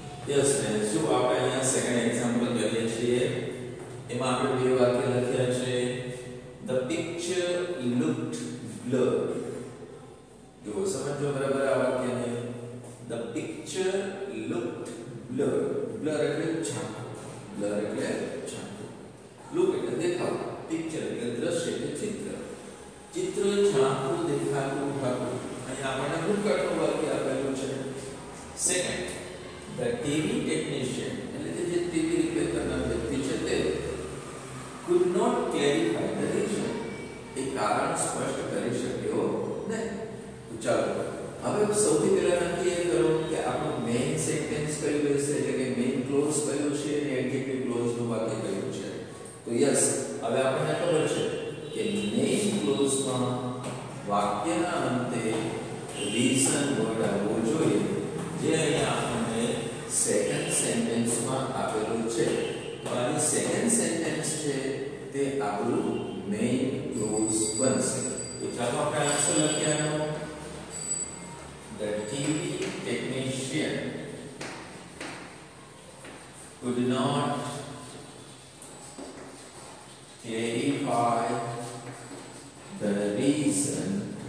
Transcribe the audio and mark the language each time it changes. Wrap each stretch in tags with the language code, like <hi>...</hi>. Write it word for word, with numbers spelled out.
<gu>Yes ને શું આપણે અહીંયા સેકન્ડ એક્ઝામ્પલ કરીએ છીએ. એમાં આપણે બે વાક્ય લખ્યા છે.</gu> <en>The picture looked blurred.</en> <gu>જો સમજો બરાબર આ વાક્યને.</gu> <en>The picture looked blurred.</en> <gu>Blur એટલે છાપું. Blur એટલે છાપું. Look એટલે દેખાવ. Picture એટલે દ્રશ્ય એટલે ચિત્ર. ચિત્ર છાપું દેખાતું હતું. અહીંયા આપણને ભૂતકાળનું વાક્ય આપેલું છે. Second</gu> <en>the T V technician</en> <gu>એટલે કે જે ટીવી રિપેર કરનાર વ્યક્તિ છે તે</gu> <en>could not clarify the reason.</en> <gu>એક કારણ સ્પષ્ટ કરી શક્યો નહીં. ચાલો હવે સૌથી પહેલા નક્કી એ કરો કે આપણું મેઇન સેન્ટેન્સ કયું રહેશે એટલે કે મેઇન ક્લોઝ કયું છે અને એડજેક્ટિવ ક્લોઝનું વાક્ય કયું છે. તો યસ હવે આપણને ખબર છે કે મેઇન ક્લોઝમાં વાક્યના અંતે રીઝન વર્ડ આવવું જોઈએ જે અહીંયા આપણને સેકન્ડ સેન્ટેન્સમાં આપેલું છે. તો આની સેકન્ડ સેન્ટેન્સ છે તે આપણું મેઇન ક્લોઝ બનશે. તો ચાલો આપણે આન્સર લખીએ આનો.</gu> <en>The T V technician could not clarify the reason.</en>